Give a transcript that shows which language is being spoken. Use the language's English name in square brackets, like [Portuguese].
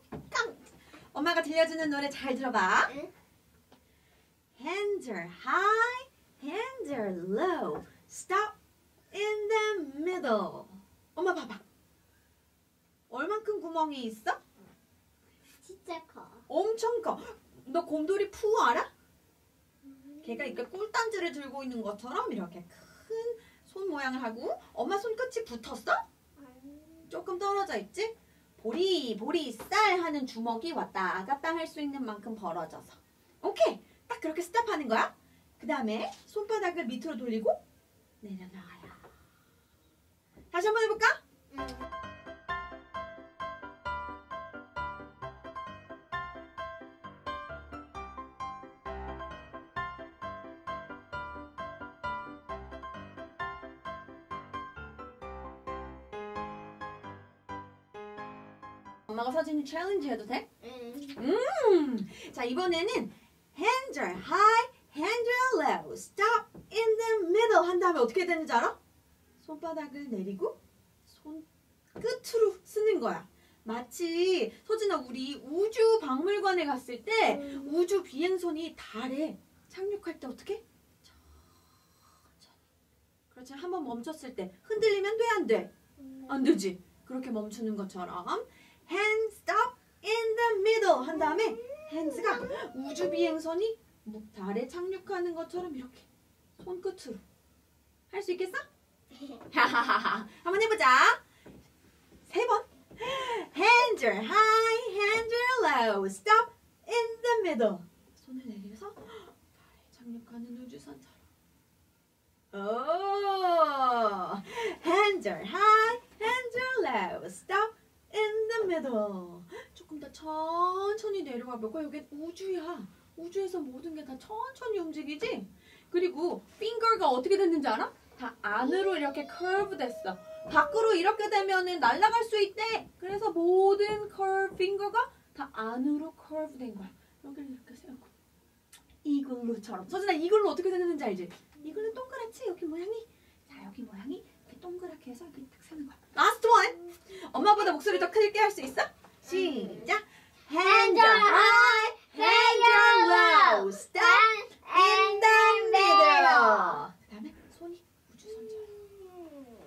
[Korean] 깡! 엄마가 들려주는 노래 잘 들어봐. 응? [English] Hands are high, hands are low, stop in the middle. [Korean] 엄마 봐봐. 얼만큼 구멍이 있어? 진짜 커. 엄청 커. 너 곰돌이 푸 알아? 얘가 이렇게 꿀단지를 들고 있는 것처럼 이렇게 큰 손 모양을 하고. 엄마 손끝이 붙었어? 조금 떨어져 있지? 보리, 보리, 쌀 하는 주먹이 왔다 갔다 할 수 있는 만큼 벌어져서. 오케이! 딱 그렇게 스탑하는 거야. 그 다음에 손바닥을 밑으로 돌리고 내려놔요. 다시 한번 해볼까? 엄마가 서진이 챌린지 해도 돼? 응. 자, 이번에는 hands are high, hands are low, stop in the middle 한 다음에 어떻게 되는지 알아? 손바닥을 내리고 손 끝으로 쓰는 거야. 마치 서진아, 우리 우주 박물관에 갔을 때 우주 비행선이 달에 착륙할 때 어떻게? 천천히. 그렇지, 한번 멈췄을 때 흔들리면 돼, 안 돼? 안 되지. 그렇게 멈추는 것처럼 Hands stop in the middle 한 다음에 hands가 우주 비행선이 달에 착륙하는 것처럼 이렇게 손끝으로 할 수 있겠어? 한번 해보자. 세 번. [English] Hands are high, hands are low, stop in the middle. [Korean] 손을 내려서 달에 착륙하는 우주선처럼. 오. [English] Hands are high, hands are low, stop. In the middle. [Korean] 조금 더 천천히 내려와 볼까? 여기 우주야. 우주에서 모든 게 다 천천히 움직이지? 그리고 finger가 어떻게 됐는지 알아? 다 안으로 이렇게 curve 됐어. 밖으로 이렇게 되면은 날아갈 수 있대. 그래서 모든 curve finger가 다 안으로 curve 된 거야. 여기를 이렇게 세우고. 이글루처럼. 서진아, 이글루 어떻게 됐는지 알지? 이글루 동그랗지? 여기 모양이. 자, 여기 모양이. 동그랗게 해서 이렇게 딱 세는 거야. [English] Last one! [Korean] 엄마보다 목소리 더 크게 할 수 있어? 시작! [English] Hands are high, hands are low, stop in the middle. [Korean] 그 다음에 손이 우주선처럼.